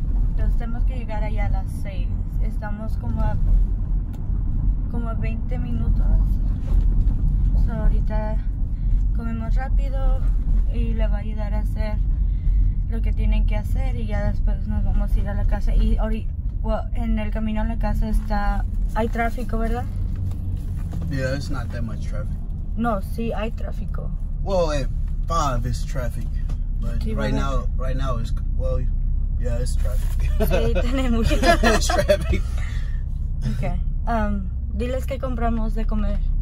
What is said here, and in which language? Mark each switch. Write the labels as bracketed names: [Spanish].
[Spanish] Entonces tenemos que llegar allá a las 6. Estamos como a 20 minutos. So ahorita comemos rápido y le va a ayudar a hacer lo que tienen que hacer y ya después nos vamos a ir a la casa. Y ahorita, en el camino a la casa hay tráfico, ¿verdad? [English] Yeah, it's not that much traffic. [Spanish] No, sí hay tráfico. [English] Well, at 5 is traffic, but right now it's, well, yeah, it's traffic. [Spanish] Sí, tenemos. [English] It's traffic. Okay. [Spanish] Diles qué compramos de comer.